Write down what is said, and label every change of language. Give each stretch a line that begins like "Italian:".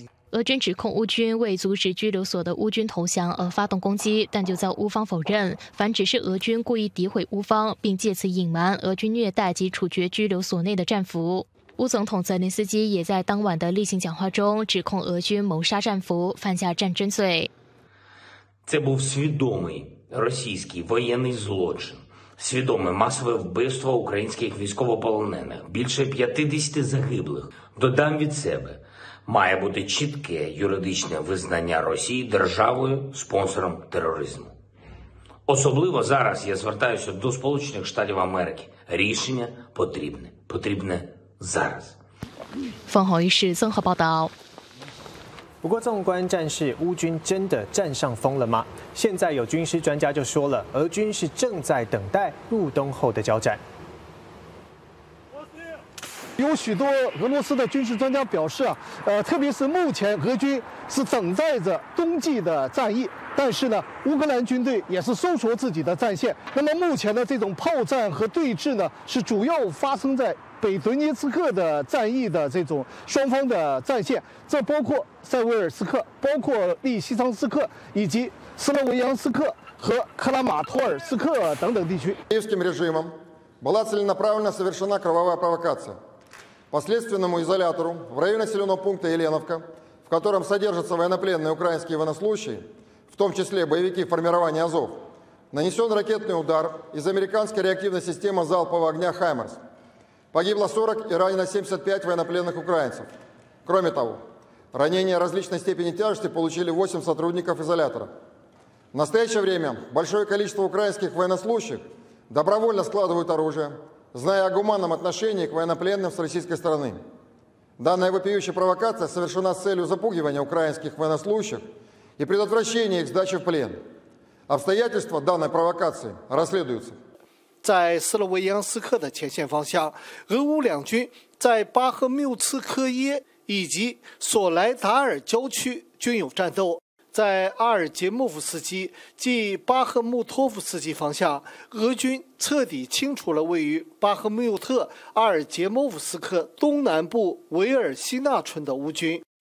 Chinese: 俄军指控乌军为阻止拘留所的乌军投降而发动攻击，但就遭乌方否认，反指是俄军故意诋毁乌方，并借此隐瞒俄军虐待及处决拘留所内的战俘。乌总统泽连斯基也在当晚的例行讲话中指控俄军谋杀战俘，犯下战争罪。
Ukrainian: Це був свідомий російський воєнний злочин, свідоме масове вбивство українських військовополонених, більше 50 загиблих. Додам від себе, має бути чітке юридичне визнання Росії державою спонсором тероризму. Особливо зараз я звертаюся до Сполучених Штатів Америки. Рішення потрібне, потрібне. Зараз.
Chinese: 凤凰卫视综合报道。不过，纵观战事，乌军真的占上风了吗？现在有军事专家就说了，俄军是正在等待入冬后的交战。有许多俄罗斯的军事专家表示啊，特别是目前俄军是等待着冬季的战役，但是呢，乌克兰军队也是收缩自己的战线。那么目前的这种炮战和对峙呢，是主要发生在北顿涅茨克的战役的这种双方的战线，这包括塞维尔斯克、包括利西昌斯克以及斯洛维扬斯克和克拉马托尔斯克等等地区。
Russian: Киевским режимом была целенаправленно совершена кровавая провокация по следственному изолятору в районе населенного пункта Еленовка, в котором содержатся военнопленные украинские военнослужащие, в том числе боевики формирования Азов. Нанесен ракетный удар из американской реактивной системы залпового огня «Хаймерс». Погибло 40 и ранено 75 военнопленных украинцев. Кроме того, ранения различной степени тяжести получили 8 сотрудников изолятора. В настоящее время большое количество украинских военнослужащих добровольно складывают оружие, зная о гуманном отношении к военнопленным с российской стороны. Данная вопиющая провокация совершена с целью запугивания украинских военнослужащих и предотвращения их сдачи в плен. Обстоятельства данной провокации расследуются.
Chinese: 在斯洛维扬斯克的前线方向，俄乌两军在巴赫穆茨科耶以及索莱达尔郊区均有战斗。在阿尔杰莫夫斯基即巴赫穆托夫斯基方向，俄军彻底清除了位于巴赫穆特阿尔杰莫夫斯克东南部维尔西纳村的乌军。